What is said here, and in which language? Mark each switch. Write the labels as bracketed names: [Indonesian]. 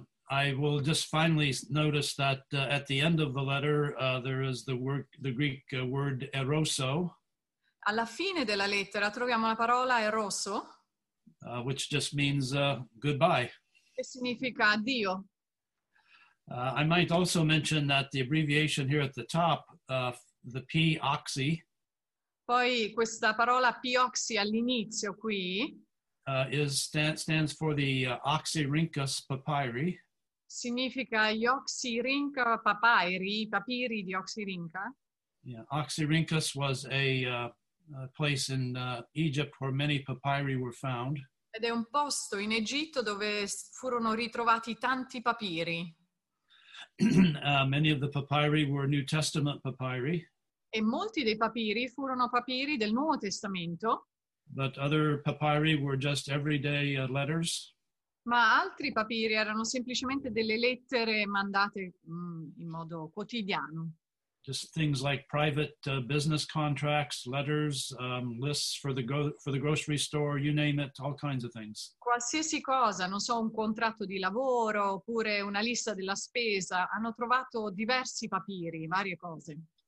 [English] I will just finally notice that at the end of the letter there is the Greek word eroso. [Italian] Alla fine della lettera troviamo la parola eroso. [English] Which just means goodbye. [Italian] Che significa addio. [English] I might also mention that the abbreviation here at the top, the P oxy. [Italian] Poi questa parola P oxy all'inizio qui. [English] Stands for the Oxyrhynchus papyri. [Italian] Significa Oxyrhynchus papyri, i papiri di Oxyrhynchus. [English] Yeah, Oxyrhynchus was a place in Egypt where many papyri were found. [Italian] Ed è un posto in Egitto dove furono ritrovati tanti papiri. [English] Many of the papyri were New Testament papyri. [Italian] E molti dei papiri furono papiri del Nuovo Testamento. [English] But other papyri were just everyday letters. [Italian] Ma altri papiri erano semplicemente delle lettere mandate in modo quotidiano. [English] Just things like private business contracts, letters, lists for the grocery store, you name it, all kinds of things. [Italian] Qualsiasi cosa, non so, un contratto di lavoro oppure una lista della spesa, hanno trovato diversi papiri, varie cose.